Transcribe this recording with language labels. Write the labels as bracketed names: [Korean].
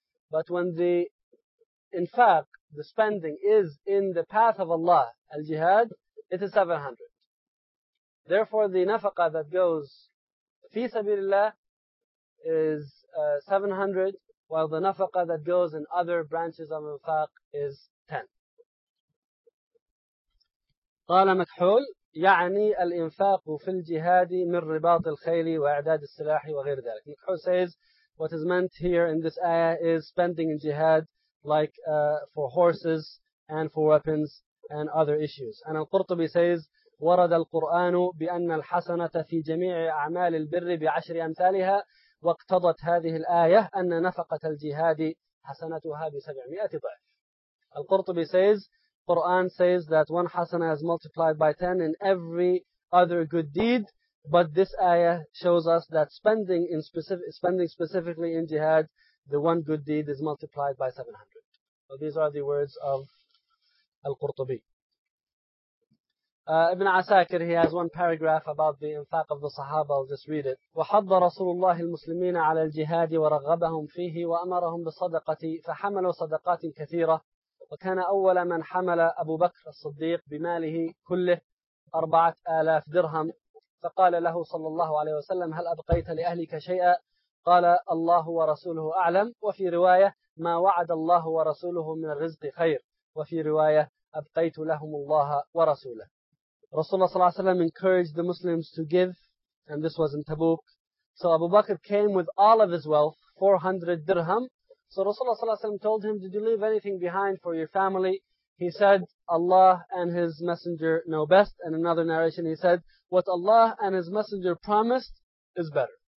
[English] But when the infaq, the spending, is in the path of Allah, al-jihad, it is 700. Therefore, the nafaqa that goes fi sabilillah is 700, while the nafaqa that goes in other branches of infaq is 10. [Arabic] قال مكحول يعني الإنفاق في الجهاد من رباط الخيل وإعداد السلاح وغير ذلك. [English] مكحول says, what is meant here in this ayah is spending in jihad like for horses and for weapons and other issues. And Al-Qurtubi says, [Arabic] ورد القرآن بأن الحسنة في جميع أعمال البر بعشر أمثالها واقتضت هذه الآية أن نفقة الجهاد حسنتها بسبعمائة ضعف. [English] القرطبي says, Quran says that one hasana is multiplied by 10 in every other good deed, but this ayah shows us that spending specifically in jihad, the one good deed is multiplied by 700. So these are the words of Al-Qurtubi. Ibn Asakir, he has one paragraph about the infaq of the Sahaba. I'll just read it. [Arabic] وَحَضَّ رَسُولُ اللَّهِ الْمُسْلِمِينَ عَلَى الْجِهَادِ وَرَغَّبَهُمْ فِيهِ وَأَمَرَهُمْ بِصَدَقَةِ فَحَمَلُوا صَدَقَاتٍ كَثِيرَةٍ وكان أول من حمل أبو بكر الصديق بماله كله 4000 درهم فقال له صلى الله عليه وسلم هل أبقيت لأهلك شيئا قال الله ورسوله أعلم وفي رواية ما وعد الله ورسوله من الرزق خير وفي رواية أبقيت لهم الله ورسوله. [English] رسول الله [Arabic] صلى الله عليه وسلم [English] encouraged the Muslims to give, and this was in Tabuk. So Abu Bakr came with all of his wealth, 400 dirham, So Rasulullah ﷺ told him, did you leave anything behind for your family? He said, Allah and His Messenger know best. And another narration, he said, what Allah and His Messenger promised is better.